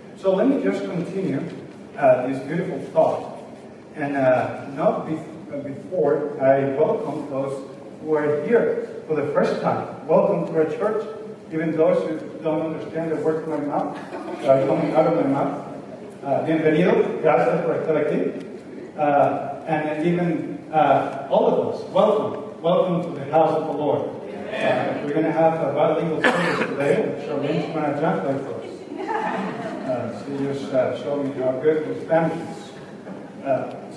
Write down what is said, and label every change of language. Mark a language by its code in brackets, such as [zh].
[en] So let me just continue this beautiful thought. And before I welcome those who are here for the first time. Welcome to our church, even those who don't understand the words of my mouth, coming out of my mouth. [es] Bienvenido, gracias por estar aquí. [en] And even all of us, welcome to the house of the Lord. We're going to have a bilingual service today. Charlene's going to translate for us. She just showed me how good the Spanish is.